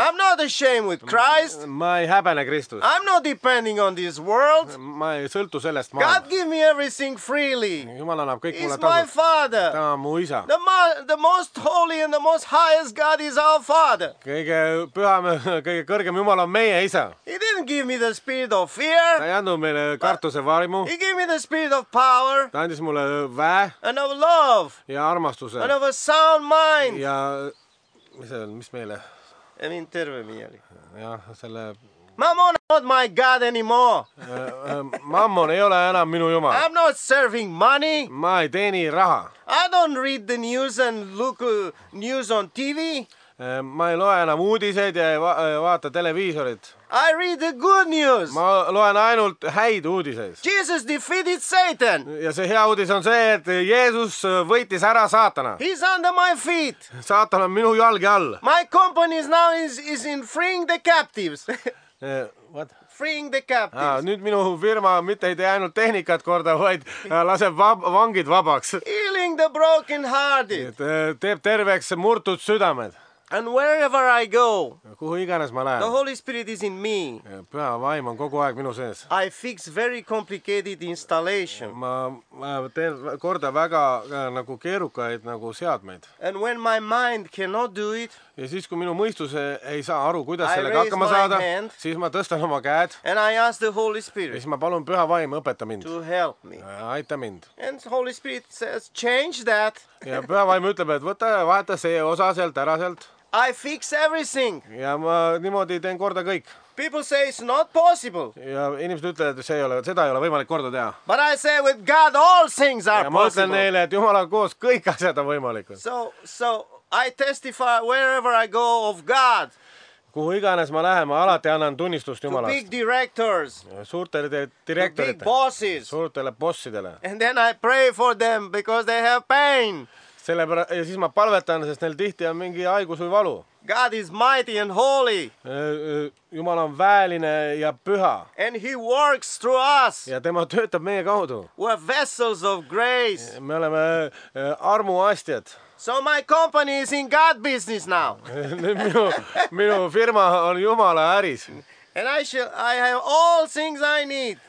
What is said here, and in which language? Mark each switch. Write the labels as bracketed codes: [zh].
[en] I'm not ashamed with Christ. [et] Ma ei häbene Kristus. [en] I'm not depending on this world. [et] Ma ei sõltu sellest maailma. [en] God give me everything freely. [et] Jumal annab kõik mulle tasu. [en] He's my father. [et] Ta on mu isa. [en] The most holy and the most highest God is our father. [et] Kõige pühame, kõige kõrgem Jumal on meie isa. [en] He didn't give me the spirit of fear. [et] Ta ei andnud meile kartuse varimu. [en] He gave me the spirit of power. [et] Ta andis mulle väe. [en] And of love. [et] Ja armastuse. [en] And of a sound mind. [et] Ja mis meile? [en] I mean [fi] terve mieli. [et] Ja selle [en] Mammon is not my God anymore. [et] Mammon ei ole enam minu Jumal. [en] I'm not serving money. [et] Ma ei teeni raha. [en] I don't read the news and look news on TV. [et] Ma ei loe enam uudiseid ja vaata televiisorit. [en] I read the good news. [et] Ma loen ainult häid uudiseid. [en] Jesus defeated Satan. [et] Ja see hea uudis on see, et Jeesus võitis ära saatana. [en] He's under my feet. [et] Saatan on minu jalge all. [en] My company is now is in freeing the captives. What? Freeing the captives. Ah, [et] nüüd minu firma mitte ei tee ainult tehnikat korda, vaid laseb vangid vabaks. [en] Healing the broken hearted. [et] Teeb terveks murtud südamed. [en] And wherever I go, [et] kuhu iganes ma lähen, [en] the Holy Spirit is in me. [et] Püha vaim on kogu aeg minu sees. [en] I fix very complicated installation. [et] Ma teen korda väga nagu keerukaid nagu seadmeid. [en] And when my mind cannot do it, [et] ja siis kui minu mõistus ei saa aru, kuidas sellega hakkama saada, [en] hand, [et] siis ma tõstan oma käed. [en] And I ask the Holy Spirit. [et] Ja siis ma palun püha vaim õpeta mind. [en] To help me. [et] Aita mind. [en] And the Holy Spirit says, change that. [et] Ja püha vaim ütleb, et võta ja vaheta see osa sealt ära sealt. [en] I fix everything. [et] Ja ma niimoodi teen korda kõik. [en] People say it's not possible. [et] Ja inimesed ütlevad, et see ei ole, seda ei ole võimalik korda teha. [en] But I say with God all things are possible. [et] Ja ma ütlen neile, et Jumala koos kõik asjad on võimalikud. [en] So I testify wherever I go of God. [et] Kuhu iganes ma lähen, ma alati annan tunnistust Jumalast. [en] To big directors. [et] Suurtele direktoritele. [en] To big bosses. [et] Suurtele bossidele. [en] And then I pray for them because they have pain. [et] Ja siis ma palvetan, sest neil tihti on mingi haigus või valu. [en] God is mighty and holy. [et] Jumal on väeline ja püha. [en] And he works through us. [et] Ja tema töötab meie kaudu. [en] We are vessels of grace. [et] Me oleme armuastjad. [en] So my company is in God business now. [et] minu firma on Jumala äris. [en] And I have all things I need.